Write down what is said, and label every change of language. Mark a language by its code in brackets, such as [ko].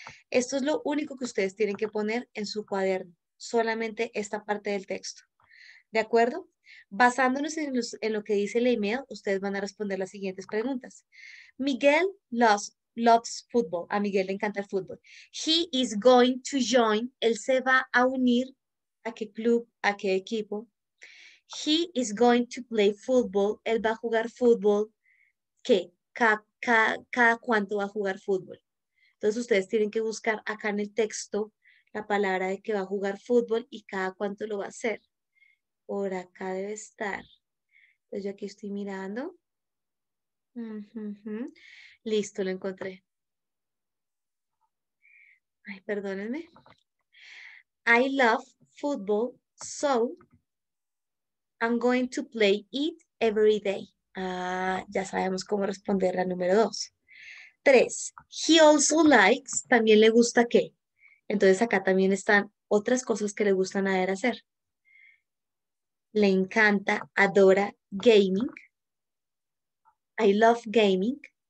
[es] Esto es lo único que ustedes tienen que poner en su cuaderno, solamente esta parte del texto. ¿De acuerdo? Basándonos en lo que dice el email, ustedes van a responder las siguientes preguntas. [en] Miguel loves football. [es] A Miguel le encanta el fútbol. [en] He is going to join. [es] Él se va a unir a qué club, a qué equipo. [en] He is going to play football. [es] Él va a jugar fútbol. ¿Qué? ¿Cada cuánto va a jugar fútbol? Entonces ustedes tienen que buscar acá en el texto la palabra de que va a jugar fútbol y cada cuánto lo va a hacer. Por acá debe estar. Entonces yo aquí estoy mirando. Listo, lo encontré. Ay, perdónenme. [en] I love football, so I'm going to play it every day. [es] Ah, ya sabemos cómo responder la número dos. Tres, [en] he also likes, [es] también le gusta qué. Entonces acá también están otras cosas que le gustan a él hacer. Le encanta, adora [en] gaming. I love gaming.